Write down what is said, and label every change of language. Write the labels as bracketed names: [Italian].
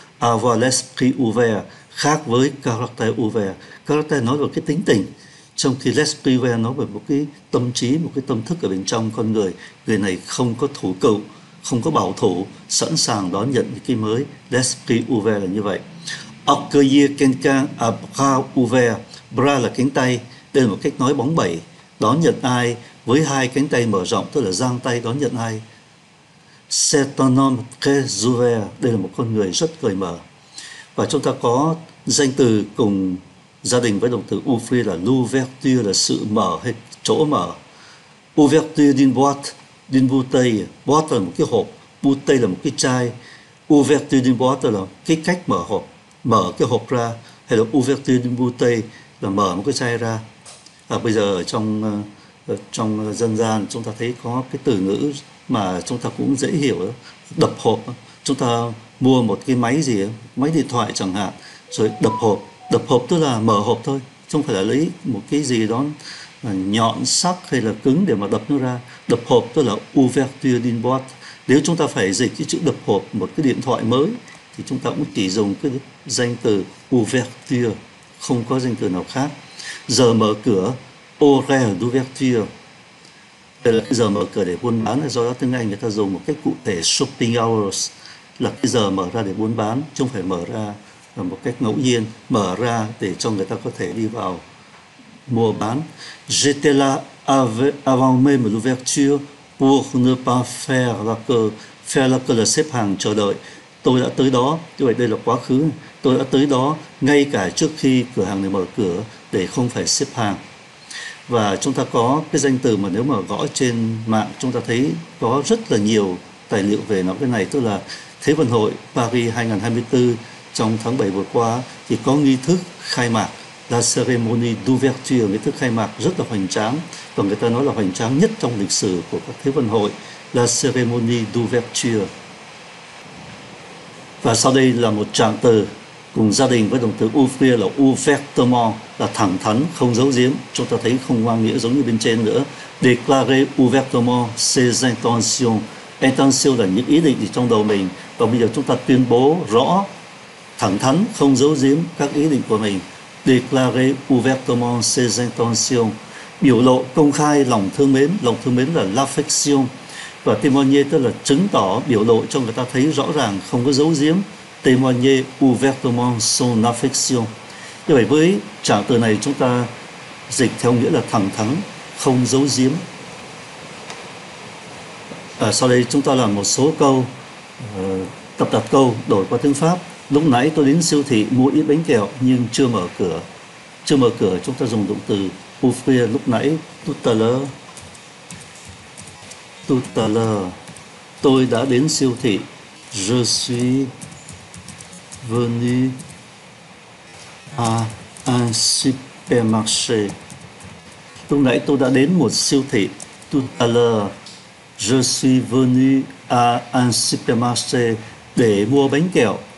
[French] Avoir l'esprit ouvert [Vietnamese] khác với [French] caractère ouvert. [Vietnamese] Caractère nói về cái tính tình, trong khi [French] l'esprit ouvert [Vietnamese] nói về một cái tâm trí, một cái tâm thức ở bên trong con người. Người này không có thủ cựu, không có bảo thủ, sẵn sàng đón nhận những cái mới. [French] L'esprit ouvert [Vietnamese] là như vậy. [French] Accueillir quelqu'un à bras ouverts. [Vietnamese] Bras là cánh tay. Đây là một cách nói bóng bẩy. Đón nhận ai với hai cánh tay mở rộng, tức là giang tay đón nhận ai. [French] C'est un homme très ouvert. [Vietnamese] Đây là một con người rất cởi mở. Và chúng ta có danh từ cùng gia đình với động từ ouvrir là l'ouverture, là sự mở hay chỗ mở. [French] Ouverture d'une boîte, d'une bouteille. [Vietnamese] Boîte là một cái hộp, bouteille là một cái chai. [French] Ouverture d'une boîte [Vietnamese] là cái cách mở hộp, mở cái hộp ra, hay là [French] ouverture d'une bouteille [Vietnamese] là mở một cái chai ra. À, bây giờ ở trong trong dân gian chúng ta thấy có cái từ ngữ mà chúng ta cũng dễ hiểu đó, đập hộp. Chúng ta mua một cái máy gì đó, máy điện thoại chẳng hạn, rồi đập hộp. Đập hộp tức là mở hộp thôi, chứ không phải là lấy một cái gì đó nhọn sắc hay là cứng để mà đập nó ra. Đập hộp tức là [French] ouverture d'une boîte. [Vietnamese] Nếu chúng ta phải dịch cái chữ đập hộp một cái điện thoại mới thì chúng ta cũng chỉ dùng cái danh từ ouverture, không có danh từ nào khác. Giờ mở cửa, [French] horaire d'ouverture. [Vietnamese] Đây là cái giờ mở cửa để buôn bán, do đó tiếng Anh người ta dùng một cách cụ thể, [English] shopping hours, [Vietnamese] là cái giờ mở ra để buôn bán, chứ không phải mở ra là một cách ngẫu nhiên, mở ra để cho người ta có thể đi vào mua bán. [French] J'étais là avant même l'ouverture pour ne pas faire la queue [Vietnamese] là xếp hàng chờ đợi. Tôi đã tới đó, như vậy đây là quá khứ. Tôi đã tới đó ngay cả trước khi cửa hàng này mở cửa để không phải xếp hàng. Và chúng ta có cái danh từ mà nếu mà gõ trên mạng chúng ta thấy có rất là nhiều tài liệu về nó, cái này tức là Thế vận hội Paris 2024 trong tháng 7 vừa qua thì có nghi thức khai mạc, [French] la cérémonie d'ouverture, [Vietnamese] nghi thức khai mạc rất là hoành tráng, và người ta nói là hoành tráng nhất trong lịch sử của các thế vận hội, la cérémonie d'ouverture. Và sau đây là một trạng từ cùng gia đình với động từ ouvrir là ouvertement, là thẳng thắn, không giấu giếm. Chúng ta thấy không ngoang nghĩa giống như bên trên nữa. [French] Déclarer ouvertement ses intentions. [Vietnamese] Intention là những ý định gì trong đầu mình. Và bây giờ chúng ta tuyên bố rõ, thẳng thắn, không giấu giếm các ý định của mình. [French] Déclarer ouvertement ses intentions. [Vietnamese] Biểu lộ công khai lòng thương mến. Lòng thương mến là l'affection. Và témoigner tức là chứng tỏ, biểu lộ cho người ta thấy rõ ràng, không có giấu giếm. [French] Témoigner ouvertement son affection. [Vietnamese] Như vậy với trạng từ này chúng ta Dịch theo nghĩa là thẳng thắn, không giấu giếm. Sau đây chúng ta làm một số câu tập đặt câu đổi qua tiếng Pháp. Lúc nãy tôi đến siêu thị mua ít bánh kẹo nhưng chưa mở cửa. Chưa mở cửa chúng ta dùng động từ ouvrir lúc nãy. [French] Tout à l'heure. [Vietnamese] Tôi đã đến siêu thị. [French] Je suis venu à un supermarché. [Vietnamese] Lúc nãy tôi đã đến một siêu thị. [French] Tout à l'heure, je suis venu à un supermarché [Vietnamese] để mua bánh kẹo.